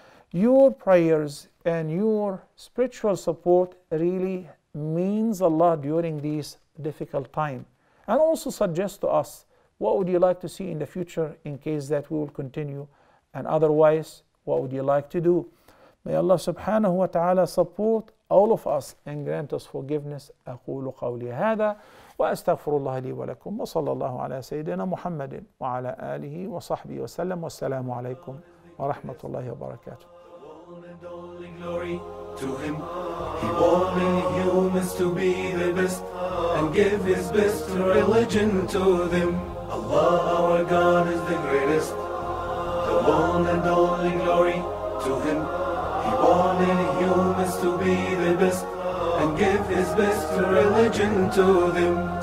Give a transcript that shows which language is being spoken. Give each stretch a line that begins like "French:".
English: Your prayers and your spiritual support really means a lot during this difficult time. And also suggest to us, what would you like to see in the future in case that we will continue? And otherwise, what would you like to do? May Allah subhanahu wa ta'ala support all of us and grant us forgiveness.
Arabic: أقول قولي هذا وأستغفر الله لي ولكم وصلى الله على سيدنا محمد وعلى آله وصحبه وسلم والسلام عليكم ورحمة الله وبركاته.
English: And only glory to him. He bore many humans to be the best and give his best religion to them. Allah our God is the greatest. The one and only glory to him. He bore many humans to be the best and give his best religion to them.